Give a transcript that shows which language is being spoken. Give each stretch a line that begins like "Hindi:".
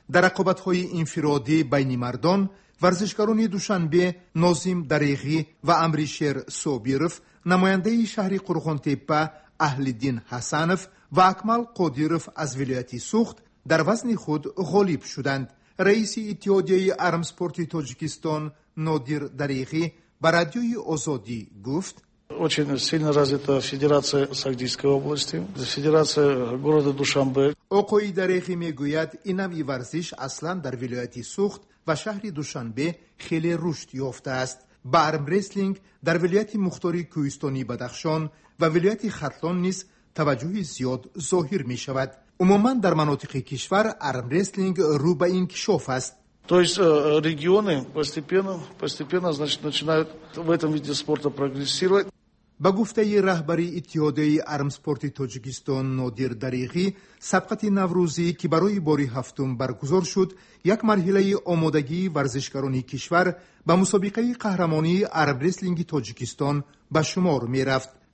Persian: در رقابت های انفرادی بین مردان ورزشکران دوشنبه نازیم دریغی و امریشر صابیرف نماینده شهر قرغان‌تپه اهلدین حسنف و اکمل قدیرف از ولایتی سوخت در وزن خود غالب شدند. رئیس اتحادیه ارمسپورت تاجیکستان نادر دریغی بر رادیوی آزادی گفت:
Russian: очень сильно развита федерация Сагдийской области, федерация города Душанбе.
Tajik: Окои дарехи мегуяд инами варзиш аслан дар вилояти Сухт ва шаҳри Душанбе хеле рушд ёфтааст. Ба армрестлинг дар вилояти Мухтори Кӯистони Бадахшон ва вилояти Хатлон низ таваҷҷӯҳи зиёд зоҳир мешавад. Умуман дар манотиқи кишвар армрестлинг рӯ ба инкишоф аст.
Russian: То есть регионы постепенно, значит, начинают в этом виде спорта прогрессировать.
Tajik: Ба гуфтаи раҳбари иттиҳодияи армспорти Тоҷикистон Нодир Дариғӣ, сабқати Наврӯзӣ, ки барои бори ҳафтум баргузор шуд, як марҳилаи омодагии варзишгарони кишвар ба мусобиқаи қаҳрамонии армрестлинги Тоҷикистон ба шумор мерафт.